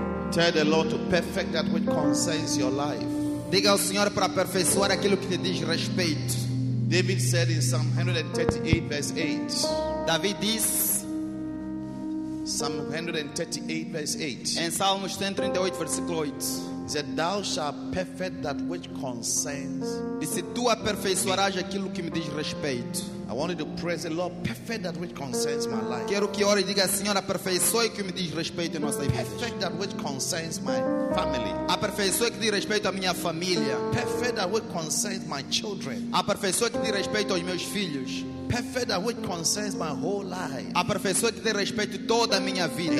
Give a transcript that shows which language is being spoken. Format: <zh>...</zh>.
<en>Tell the Lord to perfect that which concerns your life.</en> <pt>Diga ao Senhor para aperfeiçoar aquilo que lhe diz respeito.</pt> <en>David said in Psalm 138 verse 8.</en> <pt>David diz.</pt> <en>Psalm 138 verse 8.</en> <pt>Em Salmos 138 versículo 8.</pt> <en>He said, "Thou shalt perfect that which concerns."</en> <pt>Disse, tu aperfeiçoarás aquilo que me diz respeito.</pt> <en>I wanted to pray, say, "Lord, perfect that which concerns my life."</en> <pt>Quero que ore e diga, Senhor, aperfeiçoe que me diz respeito em nossa vida.</pt> <en>Perfect that which concerns my family.</en> <pt>Aperfeiçoe que diz respeito à minha família.</pt> <en>Perfect that which concerns my children.</en> <pt>Aperfeiçoe que diz respeito aos meus filhos.</pt> <en>Perfect that which concerns my whole life.</en> <pt>Aperfeiçoe que diz respeito toda a minha vida.</pt>